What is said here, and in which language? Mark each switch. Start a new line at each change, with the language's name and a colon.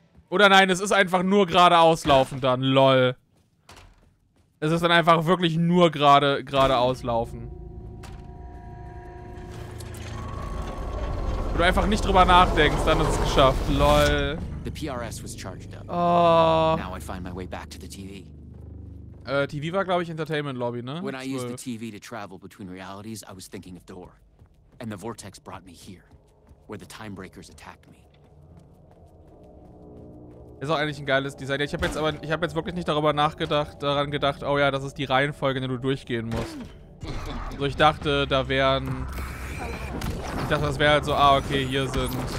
German: Oder nein, es ist einfach nur gerade auslaufen dann, lol. Es ist dann einfach wirklich nur gerade auslaufen. Wenn du einfach nicht drüber nachdenkst, dann ist es geschafft, lol.
English: The PRS was charged up. Oh. Now I find my way back to the TV.
German: TV war, glaube ich, Entertainment Lobby, ne?
English: When I used the TV to travel between realities, I was thinking of Dor. And the Vortex brought me here, where the Timebreakers attacked me.
German: Ist auch eigentlich ein geiles Design. Ich habe jetzt aber, ich habe jetzt wirklich nicht darüber nachgedacht, daran gedacht, oh ja, das ist die Reihenfolge, in der du durchgehen musst. Also ich dachte, da wären... Ich dachte, das wäre halt so, ah, okay, hier sind...